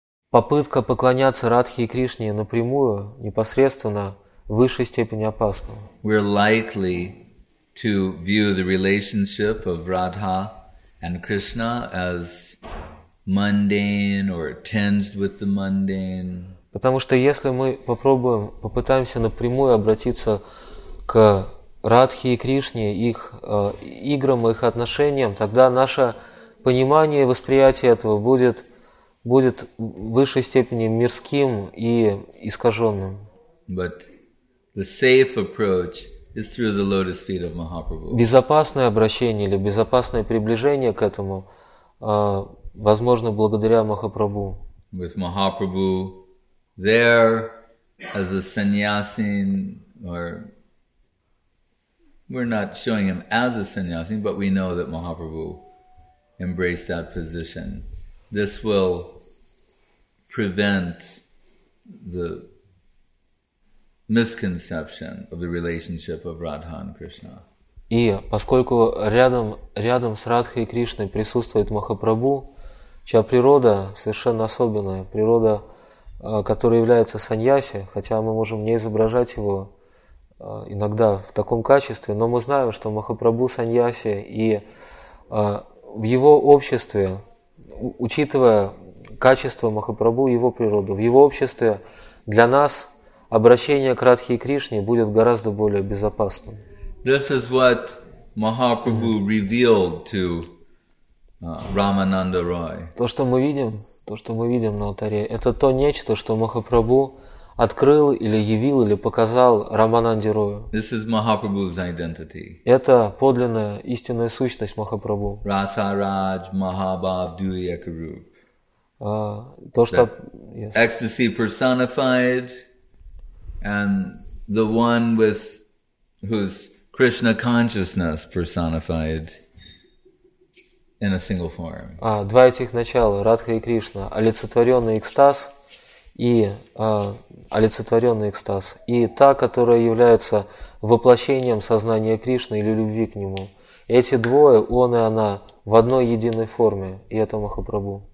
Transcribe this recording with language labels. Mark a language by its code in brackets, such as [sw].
[ru] попытка поклоняться Радхе и Кришне напрямую, непосредственно, в высшей степени опасна. [en] We're likely to view the relationship of Radha and Krishna as mundane or tinged with the mundane. [ru] Потому что если мы попытаемся напрямую обратиться к Радхе и Кришне, их играм, их отношениям, тогда наше понимание и восприятие этого будет в высшей степени мирским и искаженным. [en] But the safe approach is through the lotus feet of Mahaprabhu. [ru] Безопасное обращение или безопасное приближение к этому возможно благодаря Махапрабху. [en] With Mahaprabhu there as a sannyasin, or we're not showing him as a sannyasin, but we know that Mahaprabhu embraced that position. This will prevent the misconception of the relationship of Radha and Krishna. [ru] И поскольку рядом с Радхой и Кришной присутствует Махапрабху, чья природа совершенно особенная, природа, которая является саньяси, хотя мы можем не изображать его иногда в таком качестве, но мы знаем, что Махапрабху саньяси, и в его обществе, учитывая качество Махапрабху и его природу, в его обществе для нас обращение к Радхе и Кришне будет гораздо более безопасным. [en] This is what Mahaprabhu revealed to Ramananda Roy. [ru] То, что мы видим на алтаре, это то нечто, что Махапрабху открыл или явил или показал Рамананде Рою. [en] This is Mahaprabhu's identity. [ru] Это подлинная истинная сущность Махапрабху. [sa] Расараж Махабав Дуякаруп. [ru] То, что [en] ecstasy personified, and the one with whose Krishna consciousness personified in a single form. [ru] Два этих начала, Радха и Кришна, олицетворенный экстаз, и та, которая является воплощением сознания Кришны или любви к нему. Эти двое, он и она, в одной единой форме, и это Махапрабху.